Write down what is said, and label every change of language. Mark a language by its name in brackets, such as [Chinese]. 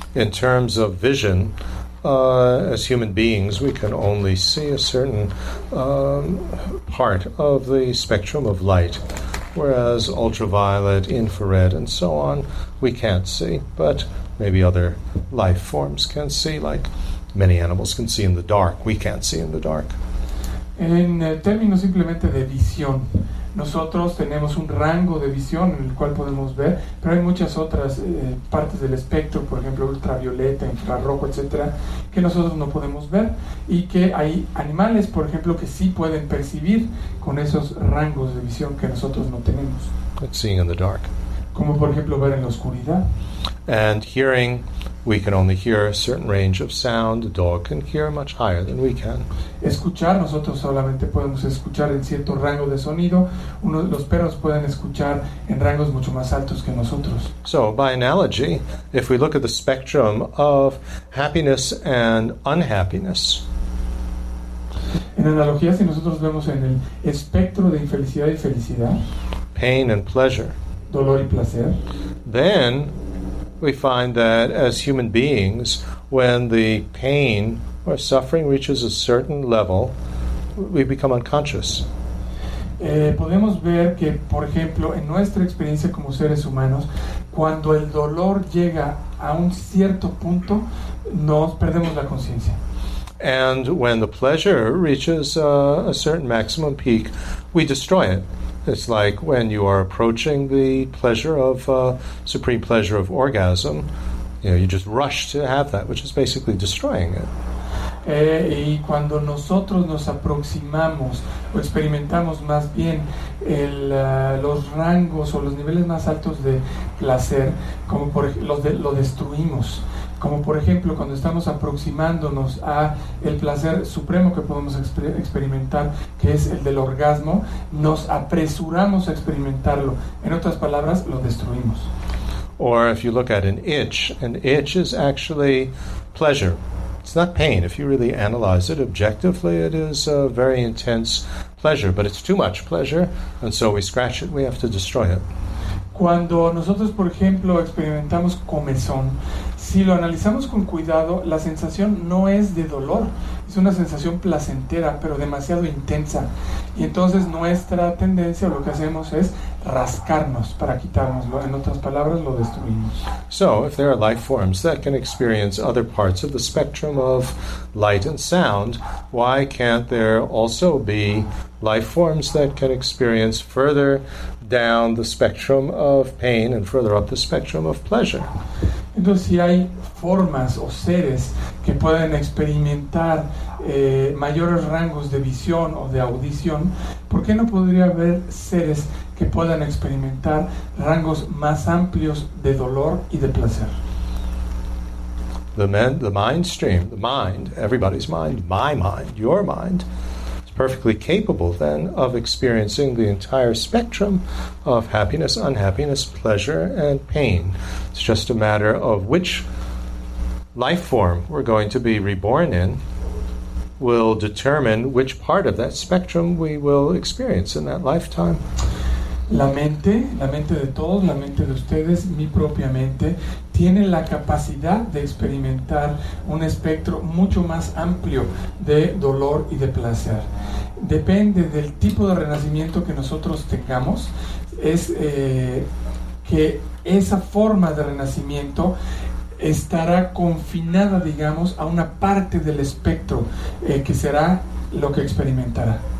[English] In terms of vision, as human beings, we can only see a certain part of the spectrum of light, whereas ultraviolet, infrared, and so on, we can't see, but maybe other life forms can see, like many animals can see in the dark. We can't see in the dark. [Spanish] En términos simplemente de visión, nosotros tenemos un rango de visión en el cual podemos ver, pero hay muchas otras partes del espectro, por ejemplo ultravioleta, infrarrojo, etcétera, que nosotros no podemos ver, y que hay animales, por ejemplo, que sí pueden percibir con esos rangos de visión que nosotros no tenemos. [English] Like seeing in the dark. [Spanish] Como por ejemplo ver en la oscuridad. [English] And hearing, we can only hear a certain range of sound. The dog can hear much higher than we can. [Spanish] Escuchar, nosotros solamente podemos escuchar en cierto rango de sonido. Uno, los perros pueden escuchar en rangos mucho más altos que nosotros. [English] So, by analogy, if we look at the spectrum of happiness and unhappiness. [Spanish] En analogía, si nosotros vemos en el espectro de infelicidad y felicidad. [English] Pain and pleasure. [Spanish] Dolor y placer. [English] Then we find that as human beings, when the pain or suffering reaches a certain level, we become unconscious. [Spanish] Podemos ver que, por ejemplo, en nuestra experiencia como seres humanos, cuando el dolor llega a un cierto punto, nos perdemos la conciencia. [English] And when the pleasure reaches a certain maximum peak, we destroy it. It's like when you are approaching the pleasure of supreme pleasure of orgasm, you know, you just rush to have that, which is basically destroying it. [Spanish] Y cuando nosotros nos aproximamos o experimentamos más bien los rangos o los niveles más altos de placer, como por lo destruimos. Como por ejemplo, cuando estamos aproximándonos a el placer supremo que podemos experimentar, que es el del orgasmo, nos apresuramos a experimentarlo. En otras palabras, lo destruimos. [English] Or if you look at an itch is actually pleasure. It's not pain. If you really analyze it objectively, it is a very intense pleasure, but it's too much pleasure, and so we scratch it, we have to destroy it. [Spanish] Cuando nosotros, por ejemplo, experimentamos comezón, si lo analizamos con cuidado, la sensación no es de dolor. Es una sensación placentera, pero demasiado intensa. Y entonces nuestra tendencia, lo que hacemos es rascarnos para quitárnoslo. En otras palabras, lo destruimos. [English] So, if there are life forms that can experience other parts of the spectrum of light and sound, why can't there also be life forms that can experience further down the spectrum of pain and further up the spectrum of pleasure? [Spanish] Entonces, si hay formas o seres que pueden experimentar mayores rangos de visión o de audición, ¿por qué no podría haber seres que puedan experimentar rangos más amplios de dolor y de placer? [English] The mind stream, the mind, everybody's mind, my mind, your mind, is perfectly capable then of experiencing the entire spectrum of happiness, unhappiness, pleasure, and pain. It's just a matter of which life form we're going to be reborn in will determine which part of that spectrum we will experience in that lifetime. [Spanish] La mente de todos, la mente de ustedes, mi propia mente, tiene la capacidad de experimentar un espectro mucho más amplio de dolor y de placer. Depende del tipo de renacimiento que nosotros tengamos, es que esa forma de renacimiento estará confinada, digamos, a una parte del espectro que será lo que experimentará.